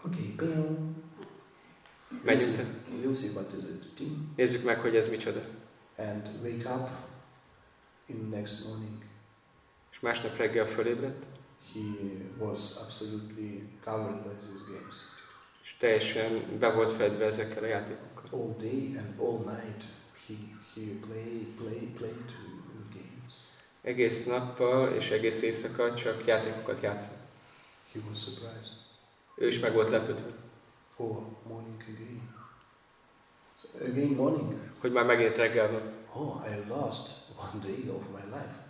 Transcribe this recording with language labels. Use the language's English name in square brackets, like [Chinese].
[English] Okay, girl. We'll see what is it. [Hungarian] Nézzük meg, hogy ez micsoda. [English] And wake up in next morning. [Hungarian] És másnap reggel fölébredt. [English] He was absolutely covered by these games. [Hungarian] És teljesen be volt fedve ezekkel a játékokkal. [English] All day and all night he played games. [Hungarian] Egész nappal és egész éjszaka csak játékokat játszott. [English] He was surprised. [Hungarian] Ő is meg volt lepődve. [English] Oh, morning again. So, again morning. [Hungarian] Hogy már megint reggel van. [English] Oh, I lost one day of my life.